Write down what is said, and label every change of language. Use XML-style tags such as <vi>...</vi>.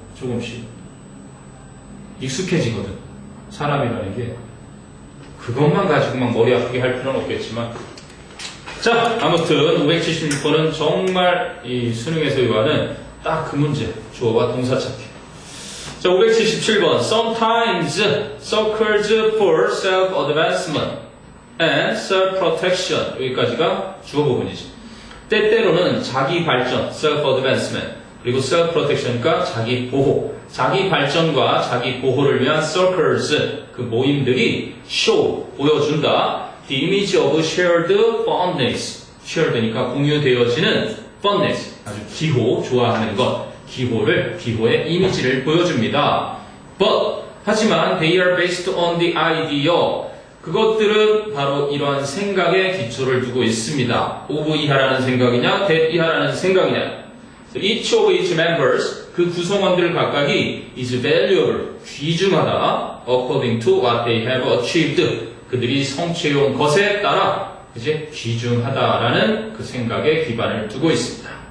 <ko>조금씩. 익숙해지거든. 사람이라는 게. 그것만 가지고 막 머리 아프게 할 필요는 없겠지만. 자, 아무튼 576번은 정말 이 수능에서 요구하는 딱 그 문제, 주어와 동사 찾기. 자, 577번.</ko> <en>Sometimes circles for self-advancement and self-protection.</en> <ko>여기까지가 주어 부분이지. 때때로는 자기 발전, self-advancement, 그리고 self-protection과 자기 보호. 자기 발전과 자기 보호를 위한 circles, 그 모임들이 show, 보여준다.</ko> <en>The image of shared fondness. shared니까</en> <ko>공유되어지는</ko> <en>fondness.</en> <ko>아주 기호, 좋아하는 것. 기호를, 기호의 이미지를 보여줍니다.</ko> <en>But,</en> <ko>하지만</ko> <en>they are based on the idea.</en> <ko>그것들은 바로 이러한 생각에 기초를 두고 있습니다. of 이하라는 생각이냐, that 이하라는 생각이냐.</ko> <en>So each of each members,</en> <ko>그 구성원들 각각이</ko> <en>is valuable,</en> <ko>귀중하다,</ko> <en>according to what they have achieved.</en> <ko>그들이 성취해온 것에 따라, 이제 귀중하다라는 그 생각에 기반을 두고 있습니다.</ko>